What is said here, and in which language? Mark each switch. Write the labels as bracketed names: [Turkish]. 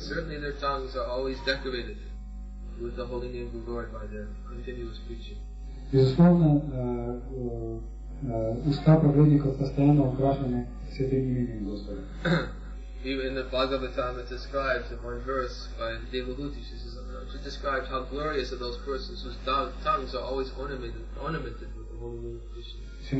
[English] Certainly their tongues are always decorated with the holy name of the Lord by their continuous preaching. [Russian] Безусловно, уста праведников постоянно украшены святым именем Господа. [English] Even in the Bhagavatam it describes in one verse by Devahuti, she describes how glorious are those persons whose tongues are always ornamented with the holy name of Krishna.